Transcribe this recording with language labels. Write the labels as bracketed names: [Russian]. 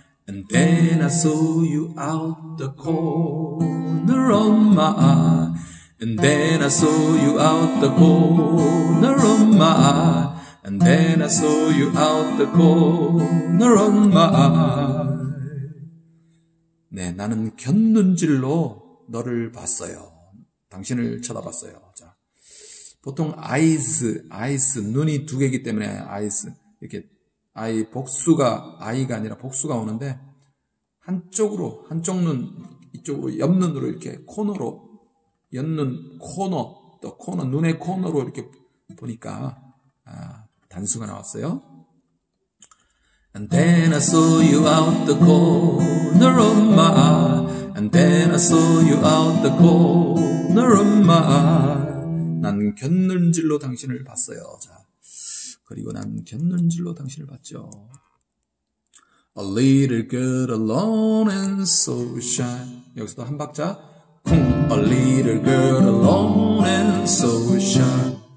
[English] And then I saw you out the corner of my eye. And then I saw you out the corner of my eye. And then I saw you out the corner of my eye. [Korean] 네, 나는 곁눈질로 너를 봤어요. 당신을 쳐다봤어요. 자, 보통 eyes, 눈이 두 개이기 때문에 eyes 이렇게 아이 복수가 아이가 아니라 복수가 오는데. 한쪽 눈, 이쪽으로, 옆 눈으로 이렇게 코너로, 옆 눈, 코너, 또 코너, 눈의 코너로 이렇게 보니까, 아, 단수가 나왔어요. [English] And then I saw you out the corner of my eye. And then I saw you out the corner of my eye. [Korean] 난 곁눈질로 당신을 봤어요. 자, 그리고 난 곁눈질로 당신을 봤죠. [English] A little girl alone and so shy. [Korean] 여기서도 한 박자. 쿵. [English] A little girl alone and so shy.